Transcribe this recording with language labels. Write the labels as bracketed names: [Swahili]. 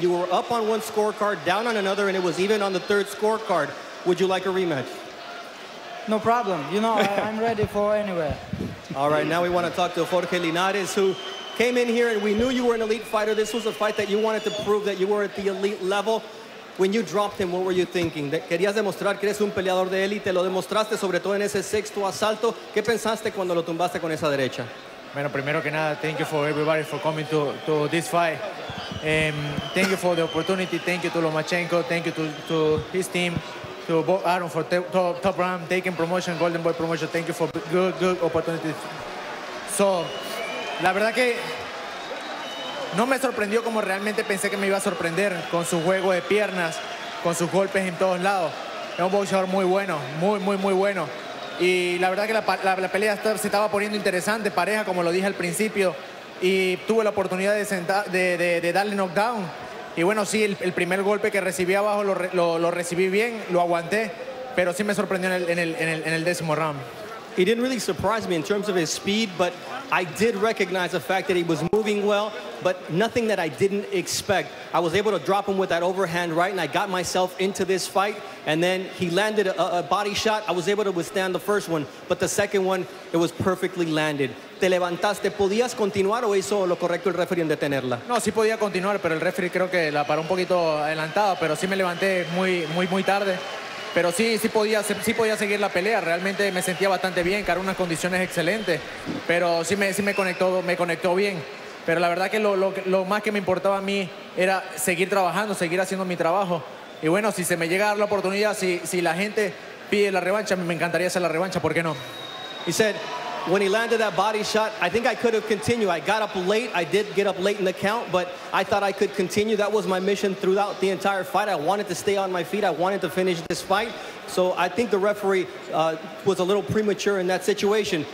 [English] You were up on one scorecard, down on another, and it was even on the 3rd scorecard. Would you like a rematch? No problem. You know, I'm ready for anywhere. All right, now we want to talk to Jorge Linares, who came in here, and we knew you were an elite fighter. This was a fight that you wanted to prove that you were at the elite level. When you dropped him, what were you thinking? [Spanish] Querías demostrar que eres un peleador de élite. Lo demostraste, sobre todo en ese 6th asalto. ¿Qué pensaste cuando lo tumbaste con esa derecha? Bueno, primero que nada, [English] thank you for everybody for coming to this fight. Thank you for the opportunity. Thank you to Lomachenko. Thank you to his team. Aaron for Top Ram, Teiken Promotion, Golden Boy Promotion. Thank you for good opportunities. [Spanish] So, la verdad que no me sorprendió como realmente pensé que me iba a sorprender con su juego de piernas, con sus golpes en todos lados. Es un boxeador muy bueno, muy, muy, muy bueno. Y la verdad que la pelea se estaba poniendo interesante, pareja, como lo dije al principio. Y tuve la oportunidad de darle knockdown. Y bueno, sí, el primer golpe que recibí abajo lo recibí bien, lo aguanté. Pero sí me sorprendió en el décimo round. [English] He didn't really surprise me in terms of his speed, but I did recognize the fact that he was moving well, but nothing that I didn't expect. I was able to drop him with that overhand right, and I got myself into this fight, and then he landed a body shot. I was able to withstand the first one, but the second one, it was perfectly landed. [Spanish] ¿Te levantaste? ¿Podías continuar o hizo lo correcto el referee en detenerla? No, sí podía continuar, pero el referee creo que la paró un poquito adelantado, pero sí me levanté muy, muy, muy tarde. Pero sí podía seguir la pelea. Realmente me sentía bastante bien, que eran unas condiciones excelentes. Pero sí me conectó bien. Pero la verdad que lo más que me importaba a mí era seguir trabajando, seguir haciendo mi trabajo. Y bueno, si se me llega a dar la oportunidad, si la gente pide la revancha, me encantaría hacer la revancha, ¿por qué no? [English] He said, when he landed that body shot, I think I could have continued. I got up late. I did get up late in the count, but I thought I could continue. That was my mission throughout the entire fight. I wanted to stay on my feet. I wanted to finish this fight. So I think the referee was a little premature in that situation.